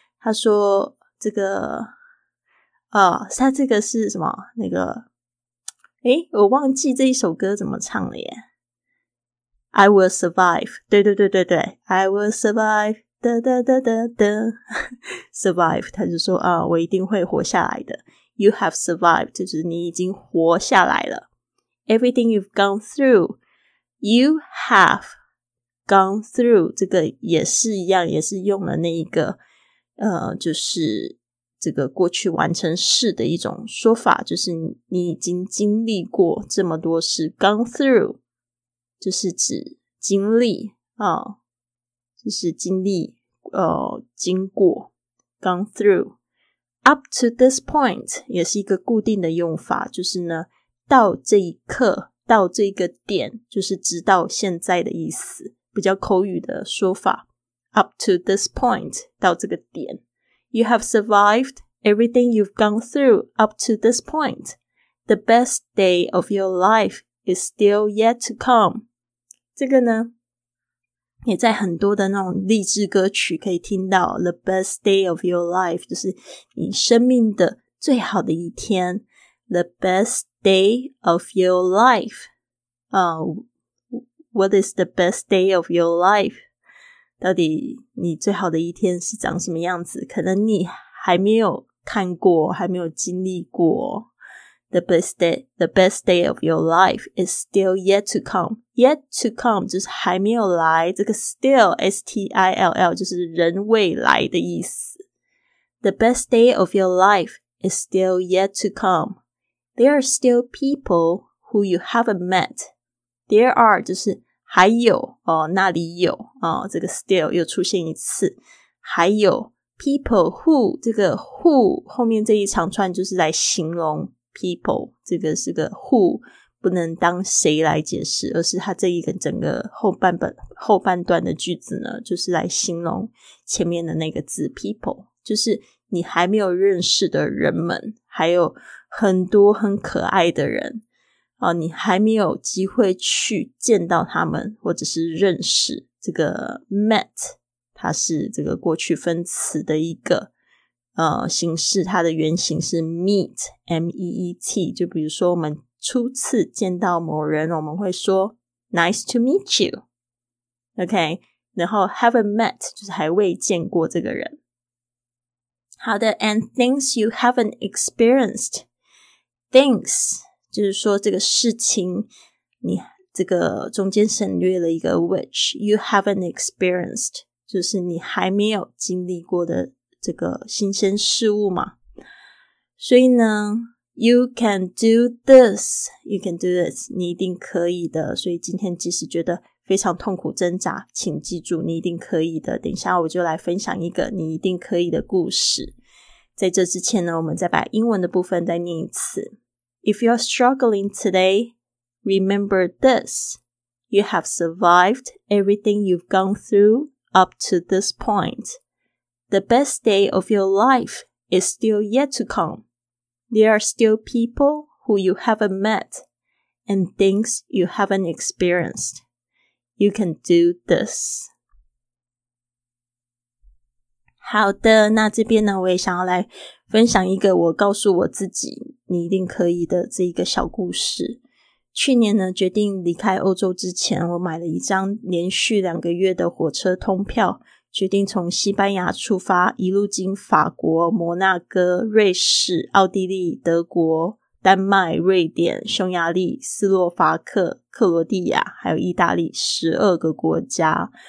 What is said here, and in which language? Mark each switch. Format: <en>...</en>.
<zh>他说这个他这个是什么那个我忘记这一首歌怎么唱了耶。</zh> <en>I will survive.</en> <zh>对对对对对。</zh> <en>I will survive. 哒哒哒哒哒。Survive.</en> <zh>他就说我一定会活下来的。</zh> <en>You have survived.</en> <zh>就是你已经活下来了。</zh> <en>Everything you've gone through. You have gone through.</en> <zh>这个也是一样，也是用了那一个就是这个过去完成式的一种说法，就是你已经经历过这么多事， gone through 就是指经历就是经历经过， gone through。</zh> <en>up to this point</en> <zh>也是一个固定的用法，就是呢到这一刻，到这个点，就是直到现在的意思，比较口语的说法。</zh> <en>up to this point</en> <zh>到这个点。</zh> <en>You have survived everything you've gone through up to this point. The best day of your life is still yet to come.</en> <zh>这个呢，也在很多的那种励志歌曲可以听到。</zh> <en>The best day of your life</en> <zh>就是你生命的最好的一天。</zh> <en>The best day of your life. What is the best day of your life?</en> <zh>到底你最好的一天是长什么样子，可能你还没有看过，还没有经历过。</zh> <en>The best day of your life is still yet to come. Yet to come</en> <zh>就是还没有来，这个 still S-T-I-L-L 就是人未来的意思。</zh> <en>The best day of your life is still yet to come. There are still people who you haven't met.</en> <zh>There are 就是还有那里有这个 still 又出现一次。还有 people who, 这个 who, 后面这一长串就是来形容 people, 这个是个 who, 不能当谁来解释，而是他这一个整个后半段的句子呢，就是来形容前面的那个字 people, 就是你还没有认识的人们，还有很多很可爱的人。你还没有机会去见到他们或者是认识。这个 met 它是这个过去分词的一个形式，它的原型是 meet M-E-E-T。就比如说我们初次见到某人，我们会说</zh> <en>nice to meet you,</en> <zh>OK, 然后 haven't met 就是还未见过这个人。好的，</zh> <en>and things you haven't experienced.</en> <zh>Thanks就是说这个事情，你这个中间省略了一个 which,</zh> <en>you haven't experienced,</en> <zh>就是你还没有经历过的这个新鲜事物嘛。所以呢</zh> <en>you can do this,</en> <zh>你一定可以的。所以今天即使觉得非常痛苦挣扎，请记住你一定可以的。等一下我就来分享一个你一定可以的故事。在这之前呢，我们再把英文的部分再念一次。</zh> <en>If you're struggling today, remember this. You have survived everything you've gone through up to this point. The best day of your life is still yet to come. There are still people who you haven't met and things you haven't experienced. You can do this.</en> <zh>好的，那这边呢，我也想要来分享一个我告诉我自己你一定可以的这一个小故事。去年呢，决定离开欧洲之前，我买了一张连续两个月的火车通票，决定从西班牙出发，一路经法国、摩纳哥、瑞士、奥地利、德国、丹麦、瑞典、匈牙利、斯洛伐克、克罗地亚还有意大利12个国家。</zh>